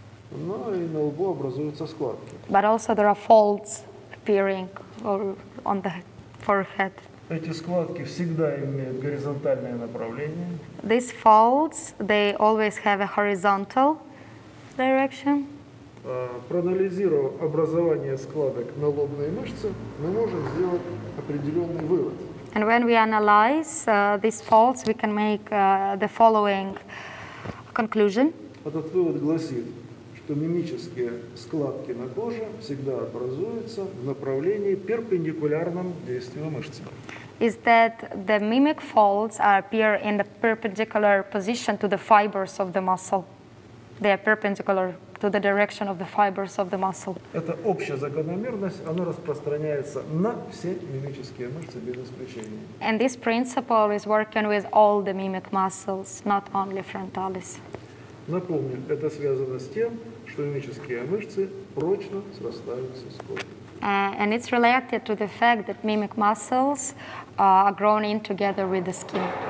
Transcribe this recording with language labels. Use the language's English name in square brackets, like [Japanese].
[Russian] Но и на лбу образуются складки. [English] But also there are folds appearing on the forehead. [Russian] Эти складки всегда имеют горизонтальное направление. [English] These folds, they always have a horizontal direction. [Russian] Проанализировав образование складок на лобной мышце, мы можем сделать определенный вывод. [English] And when we analyze these folds, we can make the following conclusion. [Russian] Этот вывод гласит, что мимические складки на коже всегда образуются в направлении перпендикулярном действию мышцы. [English] Is that the mimic folds appear in the perpendicular position to the fibers of the muscle. They are perpendicular to the direction of the fibers of the muscle. [Russian] Это общая закономерность, она распространяется на все мимические мышцы без исключения. [English] And this principle is working with all the mimic muscles, not only frontalis. [Russian] Напомню, это связано с тем, что мимические мышцы прочно срастаются с кожей. [English] And it's related to the fact that mimic muscles are grown in together with the skin.